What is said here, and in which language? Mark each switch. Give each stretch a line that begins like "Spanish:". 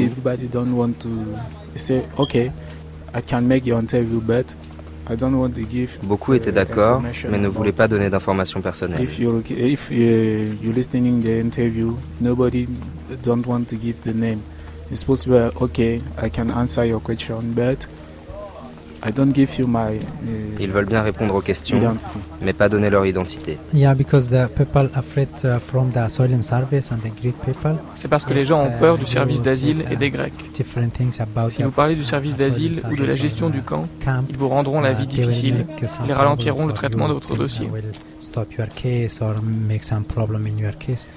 English: everybody don't want to say, okay, I can make your interview, but I don't want to give.
French: Beaucoup étaient d'accord, mais ne voulaient pas donner d'informations personnelles.
English: If you're listening the interview, nobody don't want to give the name. It's possible, okay, I can answer your question, but I don't give you my.
French: Ils veulent bien répondre aux questions, identity. Mais pas donner leur identité.
English: Yeah, because the people afraid from the asylum service and the Greek people.
French: C'est parce que les gens ont peur du service d'asile et des Grecs.
English: Different things about.
French: Si vous parlez du service d'asile ou de la gestion du camp, ils vous rendront la vie difficile. Ils ralentiront le traitement de votre dossier.
English: Stop your case or make some problem in your case.